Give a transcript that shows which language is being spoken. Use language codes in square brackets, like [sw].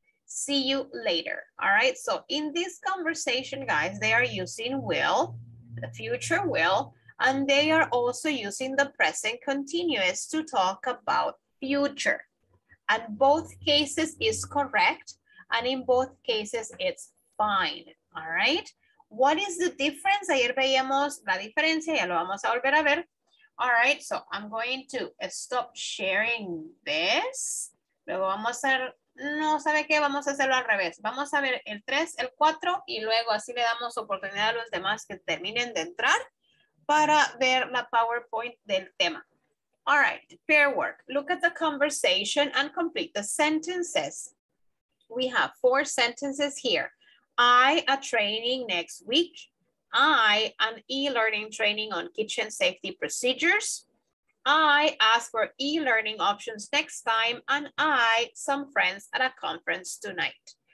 [en] See you later. All right, so in this conversation, guys, they are using will, the future will, and they are also using the present continuous to talk about future. And both cases is correct, and in both cases, it's fine, all right? What is the difference? [es] Ayer veíamos la diferencia, ya lo vamos a volver a ver. [en] All right, so I'm going to stop sharing this. [es] Luego vamos a... No sabe qué, vamos a hacerlo al revés. Vamos a ver el 3, el 4 y luego así le damos oportunidad a los demás que terminen de entrar para ver la PowerPoint del tema. [en] All right, pair work. Look at the conversation and complete the sentences. We have 4 sentences here. I a training next week. I an e-learning training on kitchen safety procedures. I ask for e-learning options next time, and I some friends at a conference tonight.